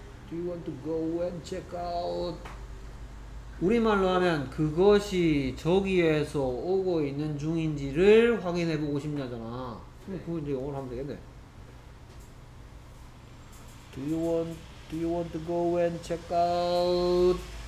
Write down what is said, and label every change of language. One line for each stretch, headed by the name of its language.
English: Do you want to go and check out?
Korean: 우리말로 하면 그것이 저기에서 오고 있는 중인지를 확인해보고 싶냐잖아. 네. 그거 이제 영어로 하면 되겠네.
English: Do you want to go and check out?